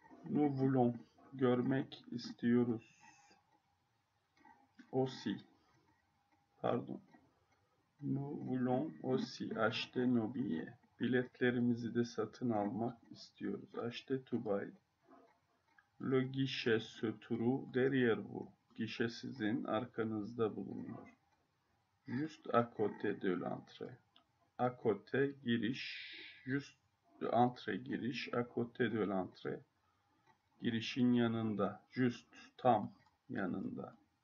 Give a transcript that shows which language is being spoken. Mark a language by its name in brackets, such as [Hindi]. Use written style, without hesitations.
[French] Nous voulons [Turkish] görmek istiyoruz. [French] Aussi. Pardon. Nous voulons aussi acheter nos billets. [Turkish] Biletlerimizi de satın almak istiyoruz. [English] Acheter to buy. [French] Le guichet se trouve derrière vous. [Turkish] Gişe sizin arkanızda bulunuyor. [French] Juste à côté de l'entrée. À côté giriş. Juste entrée giriş. À côté de l'entrée. [Turkish] Girişin yanında, just, tam yanında.